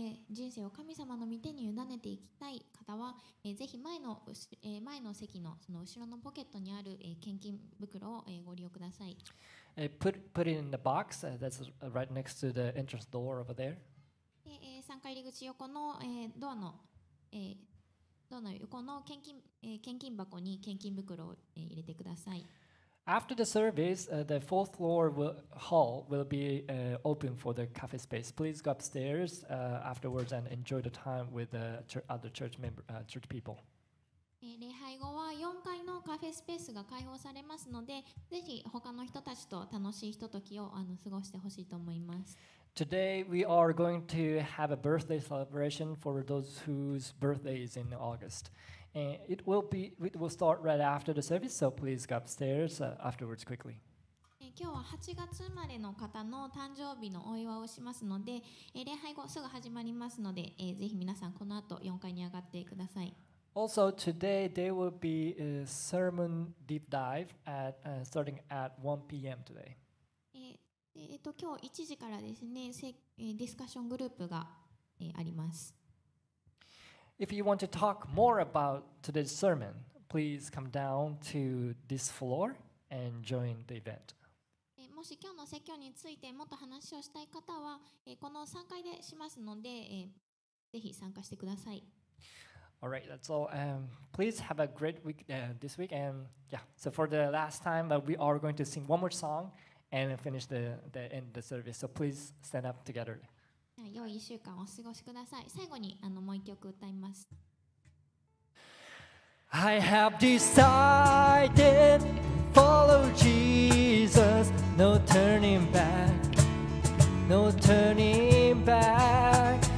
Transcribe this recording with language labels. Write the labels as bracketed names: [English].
[Japanese] 人生を神様の御手に委ねていきたい方は、ぜひ前の席のその後ろのポケットにある献金袋をご利用ください。 [English] Put it in the box that's right next to the entrance door over there. [Japanese] 3階入り口横のドアの横の献金箱に献金袋を入れてください。 [English] After the service, the fourth floor hall will be open for the cafe space. Please go upstairs afterwards and enjoy the time with the other church member, church people. [Japanese] 礼拝後は4階のカフェスペースが開放されますので、ぜひ他の人たちと楽しいひとときを過ごしてほしいと思います。 [English] Today we are going to have a birthday celebration for those whose birthday is in August. And it will start right after the service, so please go upstairs afterwards quickly. [Japanese] 今日は8月生まれの方の誕生日のお祝いをしますので、礼拝後すぐ始まりますので、ぜひ皆さんこの後4階に上がってください。 [English] Also, today there will be a sermon deep dive at starting at 1 p.m. today. [Japanese] 今日1時からですね、ディスカッショングループがあります。 [English] If you want to talk more about today's sermon, please come down to this floor and join the event. [Japanese] もし今日の説教についてもっと話をしたい方は、この3階でしますので、ぜひ参加してください。 [English] All right, that's all. Please have a great week this week. And yeah, so for the last time, we are going to sing one more song and finish the end of the service. So please stand up together. [Japanese] 良い1週間お過ごしください。最後にもう1曲歌います。 [English] I have decided follow Jesus. No turning back. No turning back.